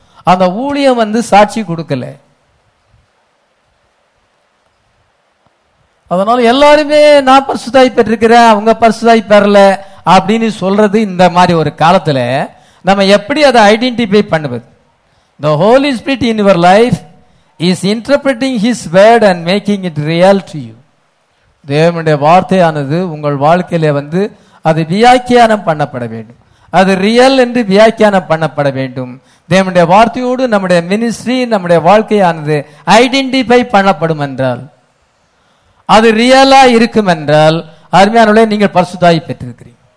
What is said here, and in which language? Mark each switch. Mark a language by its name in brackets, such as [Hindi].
[Tamil] அந்த ஊழியம் வந்து சாட்சி கொடுக்கல. அதனால எல்லாருமே நான் பரிசுத்தாய் பெற்றிருக்கிறேன், அவங்க பரிசுத்தாய் பெறல அப்படின்னு சொல்றது, இந்த மாதிரி ஒரு காலத்துல நம்ம எப்படி அதை ஐடென்டிஃபை பண்ணுவது? [English] The Holy Spirit in your life is interpreting his word and making it real to you. [Tamil] தேவனுடைய வார்த்தையானது உங்கள் வாழ்க்கையில வந்து அது வியாக்கியானம் பண்ணப்பட வேண்டும். அது ரியல் என்று வியாக்கியானம் பண்ணப்பட வேண்டும். தேவனுடைய வார்த்தையோடு நம்முடைய மினிஸ்ட்ரி, நம்முடைய வாழ்க்கையானது ஐடென்டிஃபை பண்ணப்படும் என்றால், அது ரியலா இருக்கும் என்றால், அருமையான நீங்கள் பரிசுத்தாகி பெற்றிருக்கிறீர்கள்.